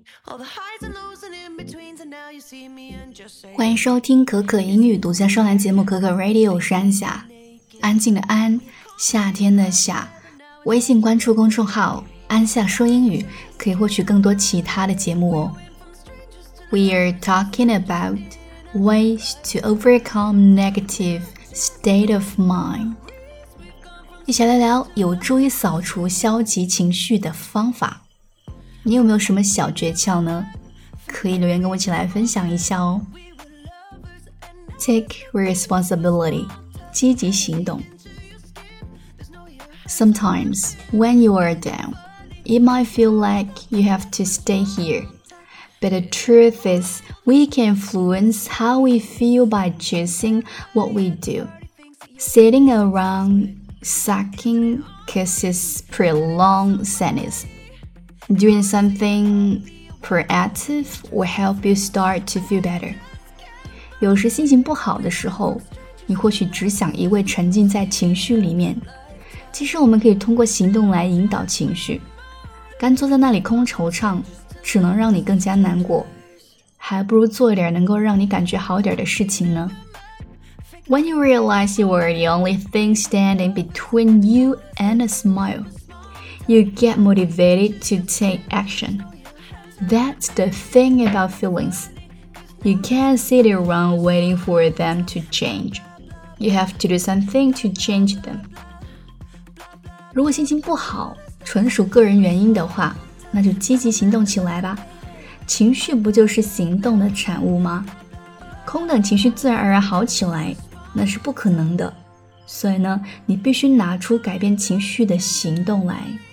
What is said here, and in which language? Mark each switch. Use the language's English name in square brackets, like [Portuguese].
[English] All the highs and lows and in betweens, and now you see me and just say. [Chinese] 欢迎收听可可英语独家专栏节目可可 Radio 山下，安静的安，夏天的夏。微信关注公众号安夏说英语，可以获取更多其他的节目哦。 [English] We're talking about ways to overcome negative state of mind. [Chinese] 一起来聊有助于扫除消极情绪的方法。你有没有什么小诀窍呢？可以留言跟我一起来分享一下哦。 [English] Take responsibility, [Chinese] 积极行动。 [English] Sometimes, when you are down, it might feel like you have to stay here. But the truth is, we can influence how we feel by choosing what we do. Sitting around sucking kisses prolonged sadness. Doing something proactive will help you start to feel better. [Chinese] 有时心情不好的时候，你或许只想一味沉浸在情绪里面。其实我们可以通过行动来引导情绪。干坐在那里空惆怅只能让你更加难过，还不如做一点能够让你感觉好点的事情呢。 [English] When you realize you are the only thing standing between you and a smile, you get motivated to take action. That's the thing about feelings. You can't sit around waiting for them to change. You have to do something to change them. [Chinese] 如果心情不好，纯属个人原因的话，那就积极行动起来吧，情绪不就是行动的产物吗？空等情绪自然而然好起来，那是不可能的。所以呢，你必须拿出改变情绪的行动来。